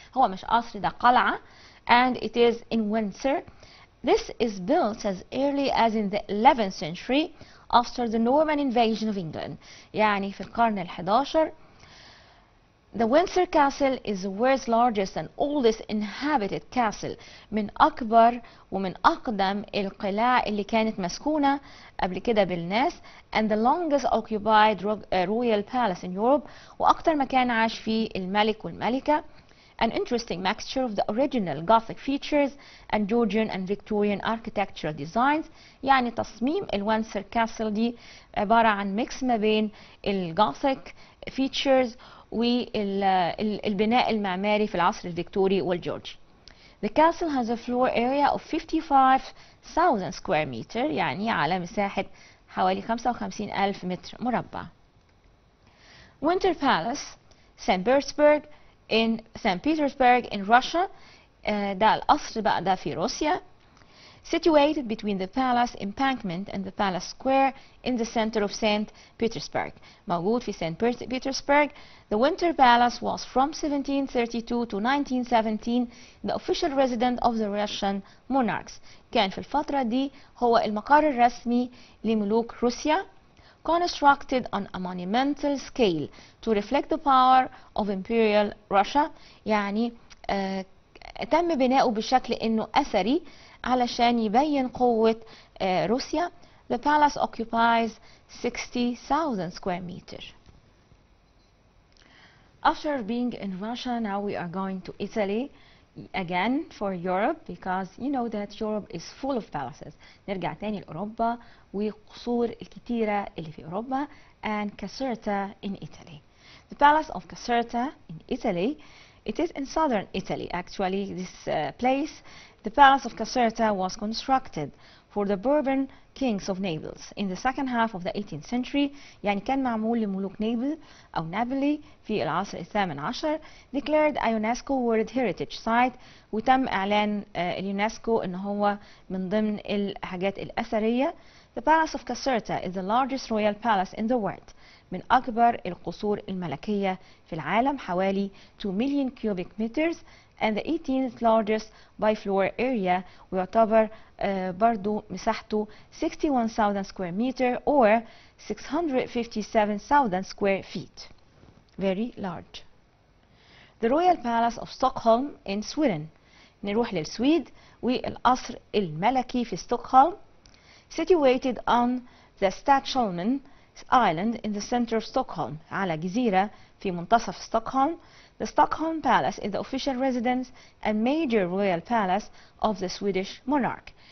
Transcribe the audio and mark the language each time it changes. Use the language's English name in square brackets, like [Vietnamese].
[Arabic] هو مش قصر، ده قلعة. [English] And it is in Windsor. This is built as early as in the 11th century after the Norman invasion of England. [Arabic] يعني في القرن الحداشر. [English] The Windsor Castle is the world's largest and oldest inhabited castle. [Arabic] من أكبر ومن أقدم القلاع اللي كانت مسكونة قبل كده بالناس. [English] And the longest occupied royal palace in Europe. [Arabic] وأكتر مكان عاش فيه الملك والملكة. [English] An interesting mixture of the original Gothic features and Georgian and Victorian architectural designs. [Arabic] يعني تصميم الوينسر كاسل دي عبارة عن ميكس ما بين الغوثيك features والبناء المعماري في العصر الفيكتوري والجورجي. [English] The castle has a floor area of 55,000 square meter، [Arabic] يعني على مساحة حوالي 55,000 متر مربع. [English] Winter Palace, St. Petersburg. In St. Petersburg in Russia. [Arabic] ده القصر بقى ده في روسيا. [English] Situated between the palace embankment and the palace square in the center of St. [Arabic] Petersburg. موجود في St. Petersburg. [English] The Winter Palace was from 1732 to 1917 the official resident of the Russian monarchs. [Arabic] كان في الفترة دي هو المقر الرسمي لملوك روسيا. [English] Constructed on a monumental scale to reflect the power of Imperial Russia. [Arabic] يعني تم بناؤه بشكل انه اثري علشان يبين قوة روسيا. [English] The palace occupies 60,000 square meter. After being in Russia, now we are going to Italy again for Europe because you know that Europe is full of palaces. [Arabic] نرجع تاني لأوروبا وقصور الكتيرة اللي في أوروبا. [English] And Caserta in Italy. The palace of Caserta in Italy. It is in southern Italy actually this place. The palace of Caserta was constructed for the Bourbon kings of Naples in the second half of the 18th century. [Arabic] يعني كان معمول لملوك نابل أو نابلي في العصر الثامن عشر. [English] Declared a UNESCO World Heritage Site. [Arabic] وتم إعلان اليونسكو إن هو من ضمن الحاجات الأثرية. [English] The Palace of Caserta is the largest royal palace in the world. [Arabic] من أكبر القصور الملكية في العالم، حوالي [English] 2 million cubic meters. And the 18th largest by floor area. [Arabic] ويعتبر برضو مساحته [English] 61,000 square meter or 657,000 square feet. Very large. The Royal Palace of Stockholm in Sweden. [Arabic] نروح للسويد والقصر الملكي في ستوكهولم. [English] Situated on the Stadsholmen Island in the center of Stockholm. [Arabic] على جزيرة في منتصف ستوكهولم. [English] The Stockholm Palace is the official residence and major royal palace of the Swedish monarch.